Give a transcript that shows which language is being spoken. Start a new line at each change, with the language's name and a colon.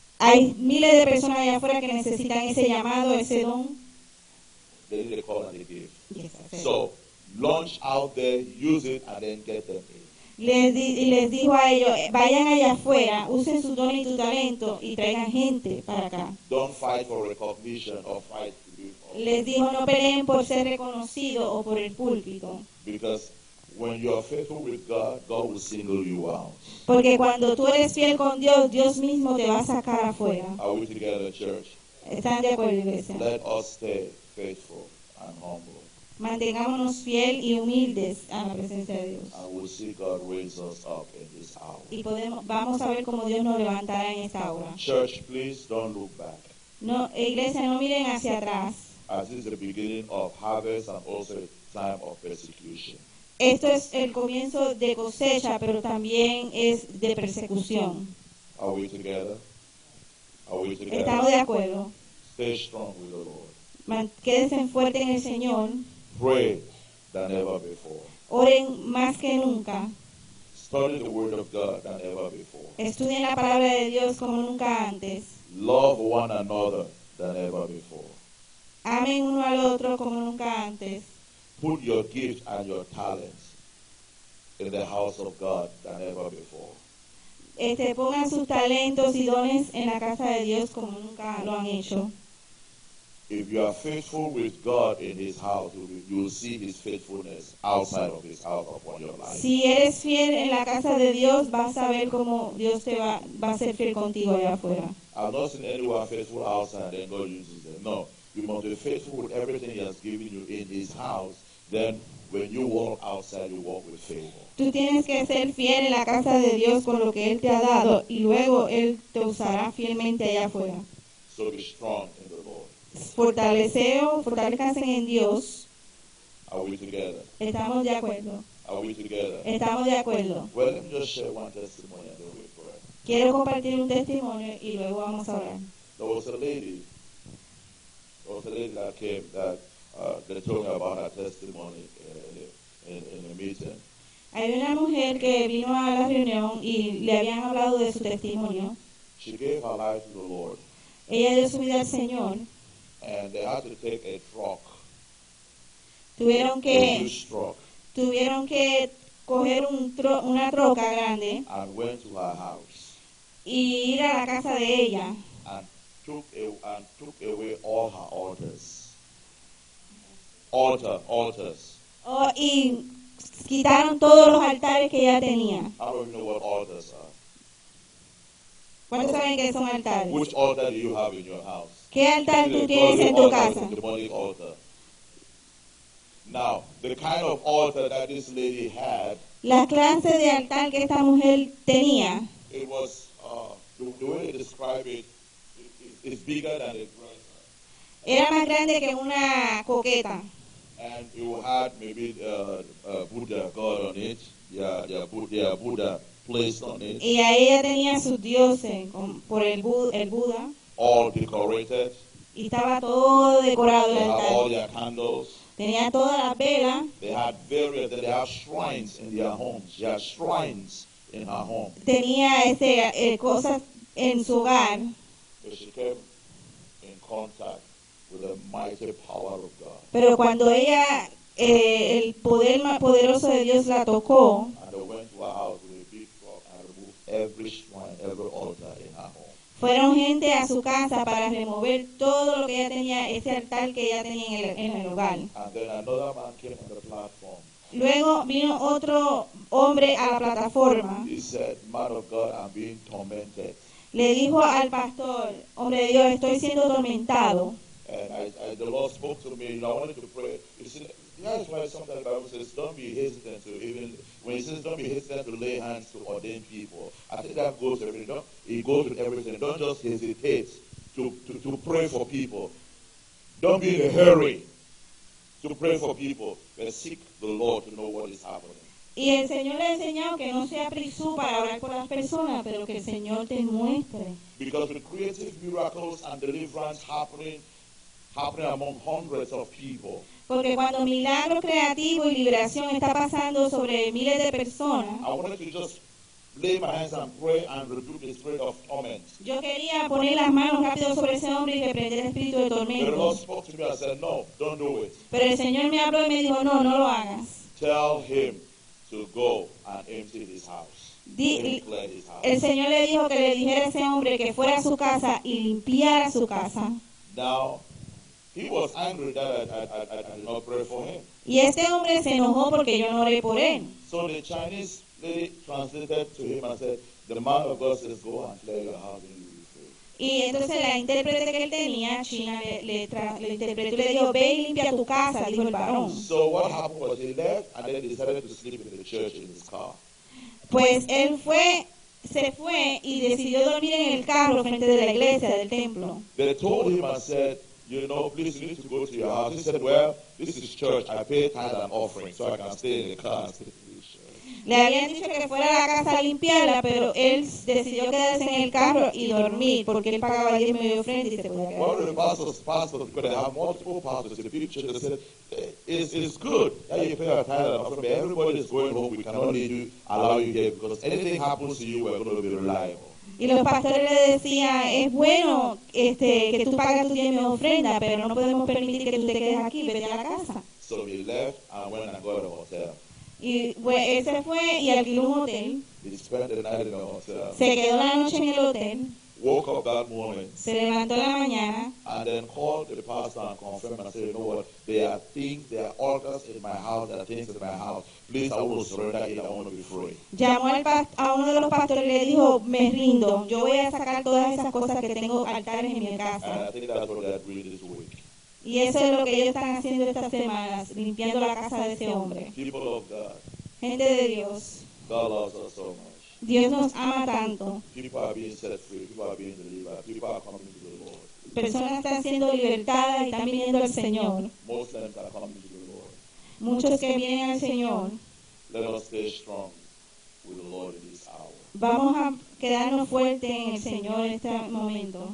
Spanish: Hay miles de personas allá afuera que necesitan ese llamado, ese don.
English: They need a call and a gift. Yes, so, launch out there, use it, and then get them in.
Spanish: Les dijo a ellos, vayan allá afuera, usen su don y su talento y traigan gente para acá.
English: Don't fight for recognition or fight to be called.
Spanish: Les dijo, no peleen por ser reconocido o por el púlpito.
English: Because when you are faithful with God, God will single you out.
Spanish: Porque cuando tú eres fiel con Dios, Dios mismo te va a sacar afuera.
English: Are we together, church?
Spanish: ¿Están de acuerdo, iglesia?
English: Let us stay faithful and humble.
Spanish: Mantengámonos fiel y humildes a la presencia de Dios.
English: And we'll see God raise us up in this hour.
Spanish: Y vamos a ver cómo Dios nos levantará en esta hora.
English: Church, please don't look back.
Spanish: No, iglesia, no miren hacia atrás.
English: As this is the beginning of harvest and also a time of persecution.
Spanish: Esto es el comienzo de cosecha, pero también es de persecución.
English: Are we together? Are we together?
Spanish: Estamos de acuerdo.
English: Stay strong with the Lord.
Spanish: Quédense fuerte en el Señor.
English: Pray than ever before.
Spanish: Oren más que nunca.
English: Study the word of God than ever before.
Spanish: Estudien la palabra de Dios como nunca antes.
English: Love one another than ever before.
Spanish: Amen uno al otro como nunca antes.
English: Put your gifts and your talents in the house of God than ever before.
Spanish: Pongan sus talentos y dones en la casa de Dios como nunca lo han hecho.
English: If you are faithful with God in His house, you will see His faithfulness outside of His house upon your life.
Spanish: Si eres fiel en la casa de Dios, vas a ver cómo Dios te va a ser fiel contigo allá afuera.
English: I've not seen anyone faithful outside and then God uses them. No, you must be faithful with everything He has given you in His house. Then, when you walk outside, you walk with favor.
Spanish: Tú tienes que ser fiel en la casa de Dios con lo que Él te ha dado, y luego Él te usará fielmente allá afuera.
English: So be strong in the Lord.
Spanish: Fortalezcanse en Dios.
English: Are we together?
Spanish: Estamos de acuerdo.
English: Are we together?
Spanish: Estamos de acuerdo.
English: Well, let me just share one testimony and then we pray.
Spanish: Quiero compartir un testimonio y luego vamos a orar.
English: There was a lady. There was a lady that came that they told me about her testimony in a meeting.
Spanish: Hay una mujer que vino a la reunión y le habían hablado de su testimonio.
English: She gave her life to the Lord.
Spanish: Ella dio su vida al Señor.
English: And they had to take a truck.
Spanish: Tuvieron que coger una troca grande.
English: And went to her house.
Spanish: Y ir a la casa de ella.
English: And took away all her altars. Altars.
Spanish: Y quitaron todos los altares que ella tenía.
English: I don't know what altars are.
Spanish: ¿Cuántos saben qué son altares?
English: Which altar do you have in your house?
Spanish: ¿Qué altar tú tienes en tu casa?
English: Demonic altar. Now, the kind of altar that this lady had.
Spanish: La clase de altar que esta mujer tenía.
English: It was the way they describe it. It's bigger than a dresser.
Spanish: Era más grande que una coqueta.
English: And you had maybe a Buddha god on it. Yeah, Buddha placed on it.
Spanish: Y ahí ella tenía sus dioses por el Buda.
English: All decorated.
Spanish: Y estaba todo decorado.
English: They
Spanish: el altar.
English: Had all their candles.
Spanish: Tenía toda la vela.
English: They had various. They had shrines in their homes. They had shrines in her home.
Spanish: Tenía cosas en su hogar.
English: But she came in contact with the mighty power of God.
Spanish: Pero cuando ella el poder más poderoso de Dios la tocó.
English: And they went to her house with a big rock and removed every shrine, every altar in her home.
Spanish: Fueron gente a su casa para remover todo lo que ella tenía, ese altar que ella tenía en el hogar.
English: And then another man came on the platform.
Spanish: Luego vino otro hombre a la plataforma.
English: He said, "Man of God, I'm being tormented."
Spanish: Le dijo al pastor, hombre de Dios, estoy siendo tormentado.
English: And the Lord spoke to me, and I wanted to pray. You see, that's why sometimes the Bible says, don't be hesitant to even... When he says, don't be hesitant to lay hands to ordain people. I think that goes to everything. It goes to everything. Don't just hesitate to pray for people. Don't be in a hurry to pray for people. But seek the Lord to know what is happening.
Spanish: Y el Señor le ha enseñado que no sea prisú para orar por las personas, pero que el Señor te muestre.
English: Because the creative miracles and deliverance happening among hundreds of people.
Spanish: Porque cuando milagro creativo y liberación está pasando sobre miles de personas,
English: I wanted to just lay my hands and pray and rebuke the spirit of torment.
Spanish: Yo quería poner las manos rápido sobre ese hombre y reprender el espíritu de tormento.
English: The Lord spoke to me and said, no, don't do it.
Spanish: Pero el Señor me habló y me dijo, no, no lo hagas.
English: Tell him to go and empty his house.
Spanish: El Señor le dijo que le dijera a ese hombre que fuera a su casa y limpiara su casa.
English: Now, he was angry that I did not pray for him.
Spanish: Y este hombre se enojó porque yo no oré por él.
English: So the Chinese lady translated to him and said, the man of God says, go and clear your house and you will be free.
Spanish: Y entonces la intérprete que él tenía, China, le interpretó y le dijo, ve y limpia tu casa, dijo el varón.
English: So what happened was he left and then decided to sleep in the church in his car.
Spanish: Pues él se fue y decidió dormir en el carro frente de la iglesia, del templo.
English: They told him and said, you know, please, you need to go to your house. He said, well, this is church. I pay tithe and offering, so I can stay in the car and sit in the church.
Spanish: Le habían dicho que fuera a la casa a limpiarla, pero él decidió quedarse en el carro y dormir, porque él pagaba 10 medio frente y se podía quedar.
English: One of the pastors, because they have multiple pastors in the future, they said, it's good that you pay your tithe and offering, but everybody is going home. We cannot allow you here, because anything happens to you, we're going to be reliable.
Spanish: Y los pastores le decían, es bueno que tú pagas tu diezmo ofrenda, pero no podemos permitir que tú te quedes aquí, vete a la casa.
English: So he left and went and got a hotel.
Spanish: Y bueno, él se fue y alquiló un hotel.
English: He spent the night in the hotel.
Spanish: Se quedó la noche en el hotel.
English: Woke up that morning.
Spanish: Se levantó la mañana.
English: And then called the pastor and confirmed and said, you know what, there are things, there are altars in my house, there are things in my house. Please, I want to surrender it, I want to be free.
Spanish: Llamó a uno de los pastores y le dijo, me rindo, yo voy a sacar todas esas cosas que tengo altares en mi casa.
English: And I think that's what they're doing this week.
Spanish: Y eso es lo que ellos están haciendo estas semanas, limpiando la casa de ese hombre.
English: People of God.
Spanish: Gente de Dios.
English: God loves us so much.
Spanish: Dios nos ama tanto.
English: People are being set free. People are being delivered. People are coming to the Lord.
Spanish: Personas están siendo libertadas y están viniendo al Señor.
English: Muslims are coming to the Lord.
Spanish: Muchos que vienen al Señor.
English: Let us stay strong with the Lord in this hour.
Spanish: Vamos a quedarnos fuertes en el Señor en este momento.